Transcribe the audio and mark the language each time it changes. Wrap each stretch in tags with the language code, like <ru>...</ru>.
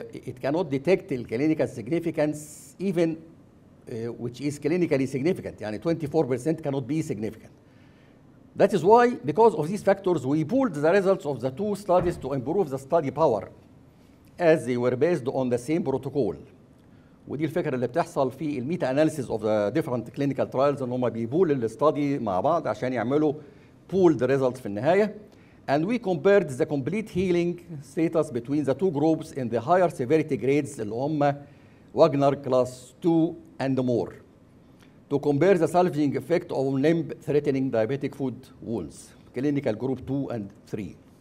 <en>It cannot detect the clinical significance even which is clinically significant. يعني 24% cannot be significant. That is why, because of these factors, we pooled the results of the two studies to improve the study power as they were based on the same protocol.</en> <ar>ودي الفكرة اللي بتحصل في الميتا</ar> <en>analysis of the different clinical trials</en> <ar>إن هما بيبول الستادي مع بعض عشان يعملوا</ar> <en>pooled results</en> <ar>في النهاية.</ar> <en>And we compared the complete healing status between the two groups in the higher severity grades,</en> <ar>اللي هم</ar> <en>Wagner class 2 and more, to compare the salvaging effect of limb-threatening diabetic foot wounds, clinical group 2 and 3.</en>